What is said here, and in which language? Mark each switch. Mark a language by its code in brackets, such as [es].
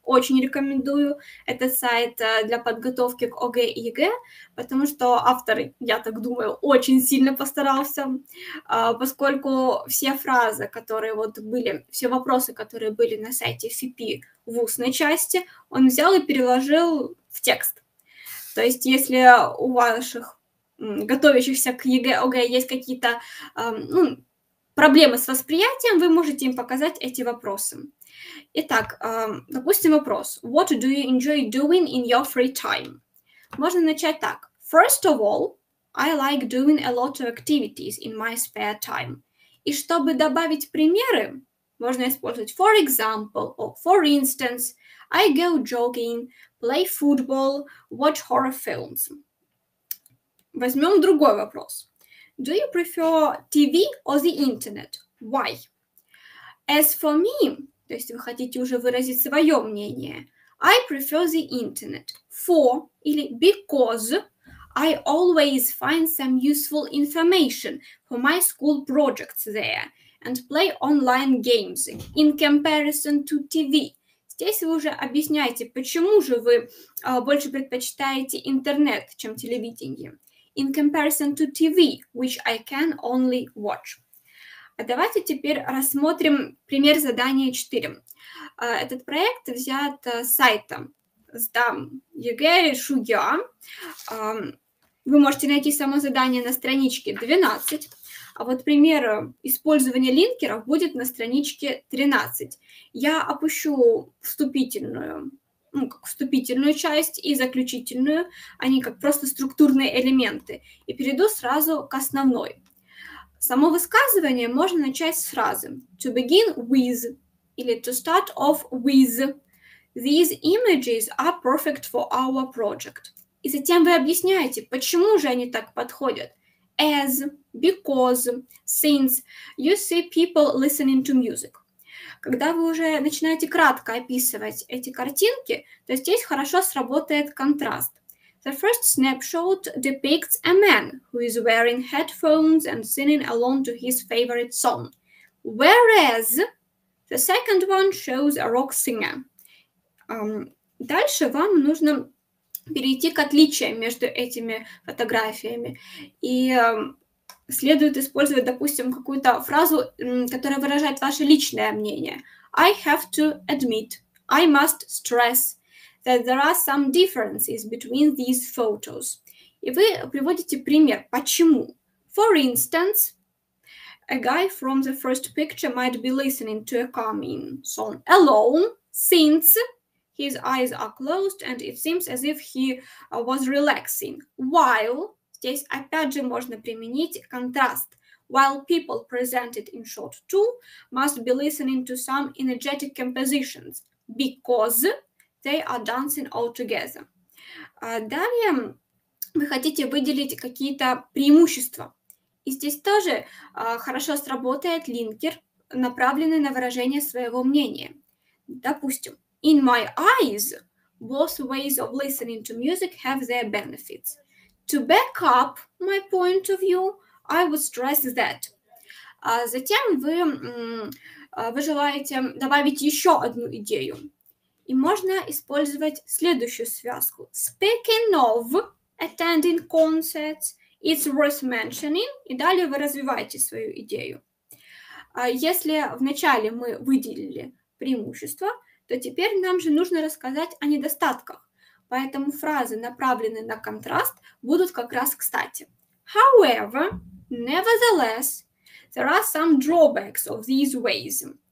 [ru] Очень рекомендую этот сайт для подготовки к ОГЭ и ЕГЭ, потому что автор, я так думаю, очень сильно постарался, поскольку все фразы, которые вот были, все вопросы, которые были на сайте FIPI в устной части, он взял и переложил в текст. То есть если у ваших готовящихся к ЕГЭ, ОГЭ есть какие-то проблемы с восприятием, вы можете им показать эти вопросы. Итак, допустим, вопрос. [en] What do you enjoy doing in your free time? [ru] Можно начать так. [en] First of all, I like doing a lot of activities in my spare time. [ru] И чтобы добавить примеры, можно использовать [en] for example or for instance, I go jogging, play football, watch horror films. [ru] Возьмем другой вопрос. [en] Do you prefer TV or the internet? Why? As for me, [ru] то есть вы хотите уже выразить свое мнение, [en] I prefer the internet for или because I always find some useful information for my school projects there and play online games in comparison to TV. [ru] Здесь вы уже объясняете, почему же вы больше предпочитаете интернет, чем телевидение. [en] In comparison to TV, which I can only watch. [ru] А давайте теперь рассмотрим пример задания 4. Этот проект взят с сайта «Сдам ЕГЭ Шуя». Вы можете найти само задание на страничке 12, а вот пример использования линкеров будет на страничке 13. Я опущу вступительную часть и заключительную, они как просто структурные элементы, и перейду сразу к основной. Само высказывание можно начать с фразы [en] «to begin with» [ru] или [en] «to start off with». «These images are perfect for our project». [ru] И затем вы объясняете, почему же они так подходят. [en] As, because, since, you see people listening to music. [ru] Когда вы уже начинаете кратко описывать эти картинки, то здесь хорошо сработает контраст. [en] The first snapshot depicts a man who is wearing headphones and singing along to his favorite song. Whereas, the second one shows a rock singer. [ru] Дальше вам нужно перейти к отличиям между этими фотографиями. И следует использовать, допустим, какую-то фразу, которая выражает ваше личное мнение. [en] I have to admit, I must stress that there are some differences between these photos. [ru] И вы приводите пример, почему. [en] For instance, a guy from the first picture might be listening to a calming song alone, since his eyes are closed, and it seems as if he was relaxing. While, [ru] здесь опять же можно применить контраст, [en] while people presented in short two must be listening to some energetic compositions, because they are dancing all together. [ru] Далее вы хотите выделить какие-то преимущества. И здесь тоже хорошо сработает линкер, направленный на выражение своего мнения. [en] Допустим, in my eyes, both ways of listening to music have their benefits. To back up my point of view, I would stress that. [ru] Затем вы желаете добавить еще одну идею. И можно использовать следующую связку. [en] Speaking of attending concerts, it's worth mentioning. [ru] И далее вы развиваете свою идею. Если вначале мы выделили преимущества, то теперь нам же нужно рассказать о недостатках. Поэтому фразы, направленные на контраст, будут как раз кстати. [en] However, nevertheless, there are some drawbacks of these ways.